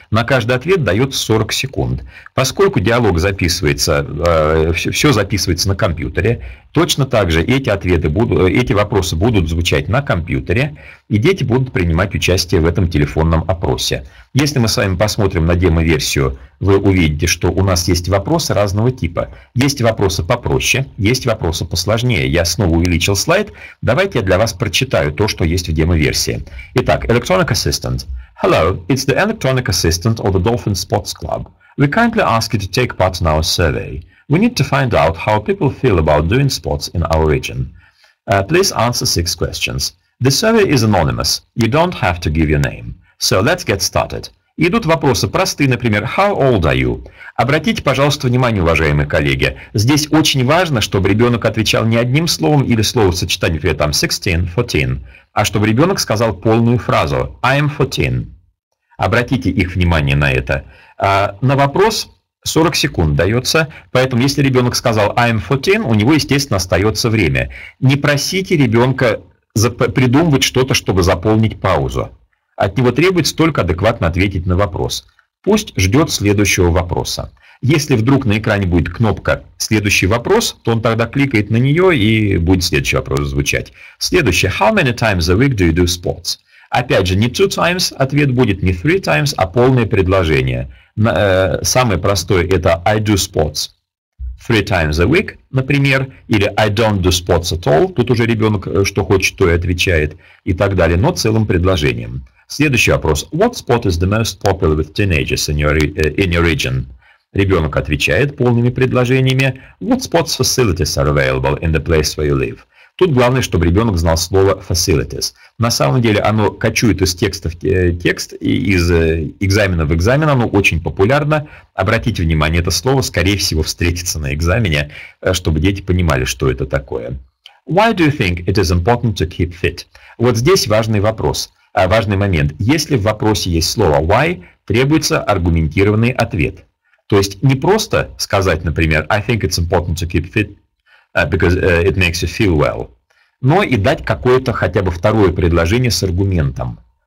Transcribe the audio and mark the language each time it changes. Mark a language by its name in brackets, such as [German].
[Russian] На каждый ответ дается 40 секунд. Поскольку диалог записывается, все записывается на компьютере, точно так же эти вопросы будут звучать на компьютере, и дети будут принимать участие в этом телефонном опросе. Если мы с вами посмотрим на демо-версию, вы увидите, что у нас есть вопросы разного типа. Есть вопросы попроще, есть вопросы посложнее. Я снова увеличил слайд. Давайте я для вас прочитаю то, что есть в демо-версии. Итак, Electronic Assistant. [English] Hello, it's the Electronic Assistant of the Dolphin Sports Club. We kindly ask you to take part in our survey. We need to find out how people feel about doing sports in our region. Please answer 6 questions. The survey is anonymous. You don't have to give your name. So let's get started. [Russian] Идут вопросы простые, например, [English] how old are you? [Russian] Обратите, пожалуйста, внимание, уважаемые коллеги. Здесь очень важно, чтобы ребенок отвечал не одним словом или словосочетанием, например, там 16, 14, а чтобы ребенок сказал полную фразу [English] I am 14. [Russian] Обратите их внимание на это. На вопрос 40 секунд дается, поэтому если ребенок сказал [English] I am 14, [Russian] у него, естественно, остается время. Не просите ребенка придумывать что-то, чтобы заполнить паузу. От него требуется только адекватно ответить на вопрос. Пусть ждет следующего вопроса. Если вдруг на экране будет кнопка «Следующий вопрос», то он тогда кликает на нее и будет следующий вопрос звучать. Следующее. [English] How many times a week do you do sports? [Russian] Опять же, не [English] two times, [Russian] ответ будет не [English] three times, [Russian] а полное предложение. Самое простое – это [English] I do sports three times a week, [Russian] например, или [English] I don't do sports at all. [Russian] Тут уже ребенок что хочет, то и отвечает, и так далее, но целым предложением. Следующий вопрос. [English] What sport is the most popular with teenagers in your region? [Russian] Ребенок отвечает полными предложениями. [English] What sports facilities are available in the place where you live? [Russian] Тут главное, чтобы ребенок знал слово facilities. На самом деле оно кочует из текста в текст, из экзамена в экзамен, оно очень популярно. Обратите внимание, это слово, скорее всего, встретится на экзамене, чтобы дети понимали, что это такое. [English] Why do you think it is important to keep fit? [Russian] Вот здесь важный вопрос. Важный момент. Если в вопросе есть слово why, требуется аргументированный ответ. То есть не просто сказать, например, [English] I think it's important to keep fit because it makes you feel well, [Russian] но и дать какое-то хотя бы второе предложение с аргументом.